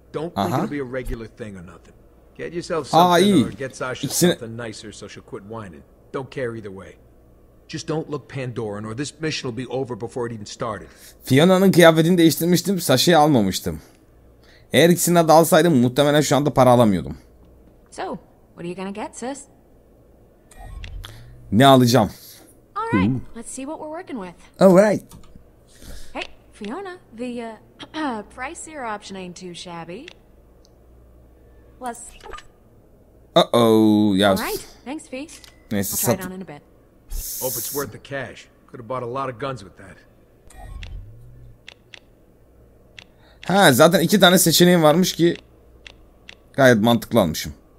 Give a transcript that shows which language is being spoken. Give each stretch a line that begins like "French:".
English: Don't think it'll be a regular thing or nothing. Get yourself something or get Sasha something nicer so she'll quit whining. Don't care either way. Just don't look Pandoran or this mission will be over before it even started.
Turkish: Fiona'nın kıyafetini değiştirmiştim, Sasha'yı almamıştım. Eğer ikisine dalsaydım muhtemelen şu anda para alamıyordum.
English: So, what are you gonna get, sis?
Turkish: Ne alacağım?
English: All right, let's see what we're working with. All right. Hey, Fiona, the pricier option ain't too shabby. Plus. Uh-oh, yes. All right, thanks, V.
Turkish: Neyse,
English: I'll try it on in a bit. Hope it's worth the cash. Could have bought a lot of guns with that.
Turkish: Ha, zaten iki tane seçeneğim varmış ki gayet mantıklı almışım.